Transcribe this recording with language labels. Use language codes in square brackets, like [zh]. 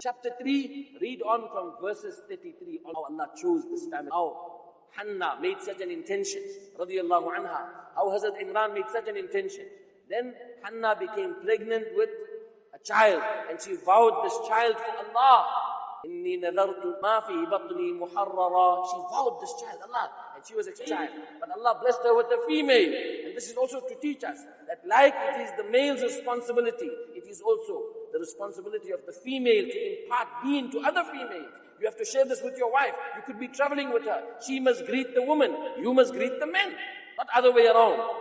[en] Chapter 3, read on from verses 33. How Allah chose this family. How Hannah made such an intention, radiallahu anha. How Hazrat Imran made such an intention. Then Hannah became pregnant with a child, and she vowed this child for Allah. [ar] إني نذرت ما في بطني محررا. [en] She vowed this child, Allah, and she was a child. But Allah blessed her with a female. And this is also to teach us that like it is the male's responsibility, it is also the responsibility of the female to impart deen to other females. You have to share this with your wife. You could be traveling with her. She must greet the woman. You must greet the men. Not other way around.